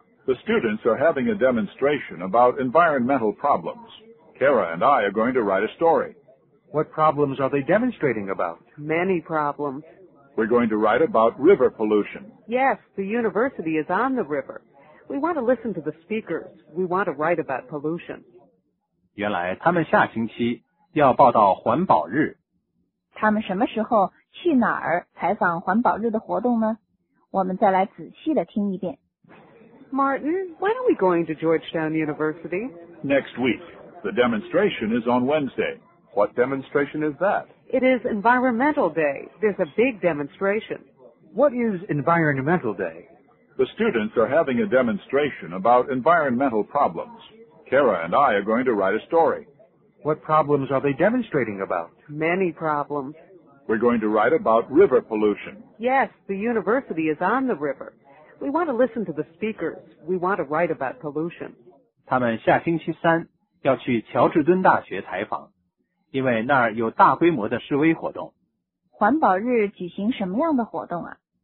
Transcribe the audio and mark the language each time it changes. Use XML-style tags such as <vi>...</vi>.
<en>The students are having a demonstration about environmental problems. Kara and I are going to write a story. What problems are they demonstrating about? Many problems. We're going to write about river pollution. Yes, the university is on the river. We want to listen to the speakers. We want to write about pollution.</en> <zh>原来他们下星期要报道环保日。他们什么时候去哪儿采访环保日的活动呢? 我们再来仔细地听一遍。</zh> <en>Martin, when are we going to Georgetown University? Next week. The demonstration is on Wednesday. What demonstration is that? It is Environmental Day. There's a big demonstration. What is Environmental Day? The students are having a demonstration about environmental problems. Kara and I are going to write a story. What problems are they demonstrating about? Many problems. We're going to write about river pollution. Yes, the university is on the river. We want to listen to the speakers. We want to write about pollution.</en> <zh>他们下星期三要去乔治敦大学采访。因为那儿有大规模的示威活动。环保日举行什么样的活动啊?</zh>